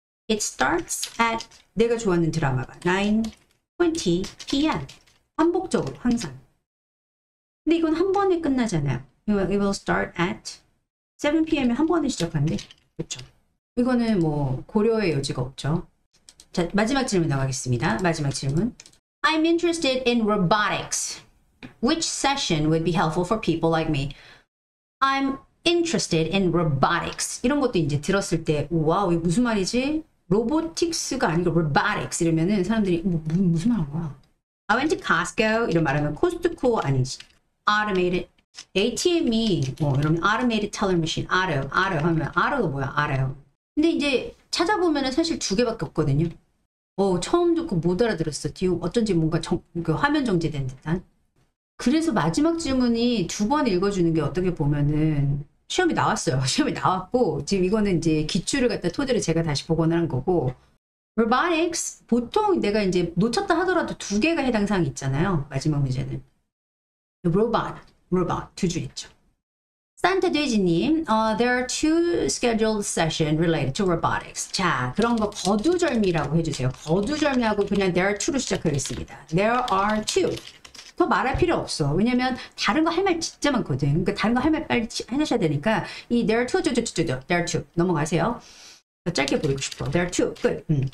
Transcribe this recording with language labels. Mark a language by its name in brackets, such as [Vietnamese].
[English] It starts at [Korean] 내가 좋아하는 드라마가 [English] 9:20 p.m. [Korean] 반복적으로 항상. 근데 이건 한 번에 끝나잖아요. [English] It will start at 7 p.m.에 [Korean] 한 번에 시작한대. 그렇죠? 이거는 뭐 고려의 여지가 없죠. 자, 마지막 질문 나가겠습니다. 마지막 질문. [English] I'm interested in robotics. Which session would be helpful for people like me? I'm interested in robotics. [Korean] 이런 것도 이제 들었을 때, 와우, 이게 무슨 말이지? 로보틱스가 아니고 robotics 이러면은 사람들이 무슨 말한 거야? [English] I went to Costco [Korean] 이런 말하면 코스트코 아니지? Automated ATM이 이러면 automated teller machine, auto, auto 하면 auto가 뭐야? Auto. 근데 이제 찾아보면은 사실 두 개밖에 없거든요. 처음 듣고 못 알아들었어. 뒤에 어쩐지 뭔가 그 화면 정지된 듯한. 그래서 마지막 질문이 두번 읽어주는 게 어떻게 보면은 시험이 나왔어요. 시험이 나왔고, 지금 이거는 이제 기출을 갖다 토대로 제가 다시 복원을 한 거고. Robotics, 보통 내가 이제 놓쳤다 하더라도 두 개가 해당 사항이 있잖아요. 마지막 문제는. Robot, 두줄 있죠. [English] 산타 돼지님, there are two scheduled sessions related to robotics. [Korean] 자, 그런 거 거두절미라고 해주세요. 거두절미하고 그냥 there are two로 시작하겠습니다. [English] There are two. [Korean] 더 말할 필요 없어. 왜냐면 다른 거할말 진짜 많거든. 그러니까 다른 거할말 빨리 해내셔야 되니까 이 [English] there are two, there are two [Korean] 넘어가세요. 짧게 보이고 싶어. [English] There are two. Good.